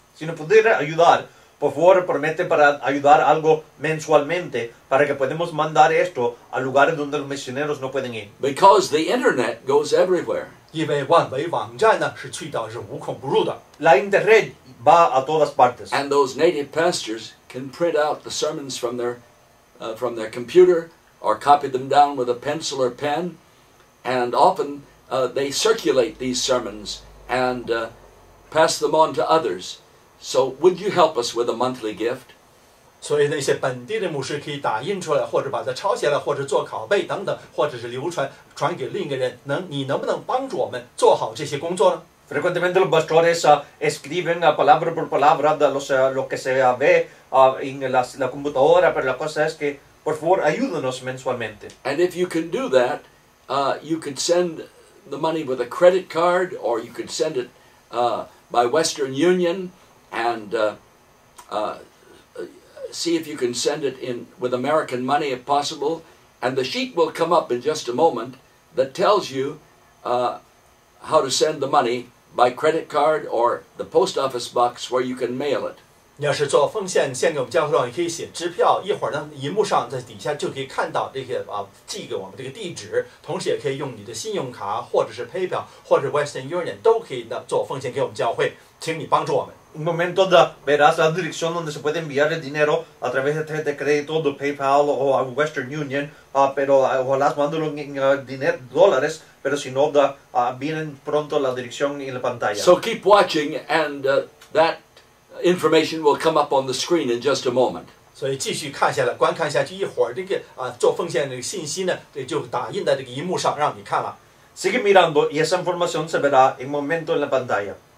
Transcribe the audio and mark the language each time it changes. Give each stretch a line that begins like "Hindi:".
Spanish: Si no pudiera ayudar, por favor promete para ayudar algo mensualmente para que podamos mandar esto a lugares donde los misioneros no pueden ir.
English: Because the internet goes everywhere.
Chinese: 因为万维网站呢是去到是无孔不入的。
Spanish: La internet. Va a todas partes.
English: And those native pastors can print out the sermons from their computer or copy them down with a pencil or pen. And often they circulate these sermons and pass them on to others. So would you help us with a monthly gift?
Chinese: 所以那些本地的牧师可以打印出来，或者把它抄写了，或者做拷贝等等，或者是流传传给另一个人。你能不能帮助我们做好这些工作呢？
Spanish: Frecuentemente los pastores escriben palabra por palabra de lo que se ve en la computadora, pero la cosa es que, por favor, ayúdenos mensualmente.
English: And if you can do that, You could send the money with a credit card, or you could send it by Western Union and see if you can send it in with American money if possible. And the sheet will come up in just a moment that tells you how to send the money by credit card or the post office box where you can mail it.
Chinese: 你要是做奉献献给我们教会的话，你可以写支票，一会儿呢，荧幕上在底下就可以看到这些啊，寄给我们这个地址，同时也可以用你的信用卡或者是 PayPal 或者 Western Union 都可以呢做奉献给我们教会，请你帮助我们。
Spanish: Un momento de verás la dirección donde se puede enviar el dinero a través de tarjeta de crédito, de PayPal o a Western Union, pero ojalá mandarlo en dólares, pero si no, vienen pronto la dirección en la pantalla.
English: So keep watching and that. Information will come up on the screen in just a moment.
Chinese: 所以继续看下来，观看下去，一会儿这个啊做奉献的信息呢，这就打印在这个荧幕上让你看了。
Spanish: Sigue mirando y esa información se verá en momento en la pantalla.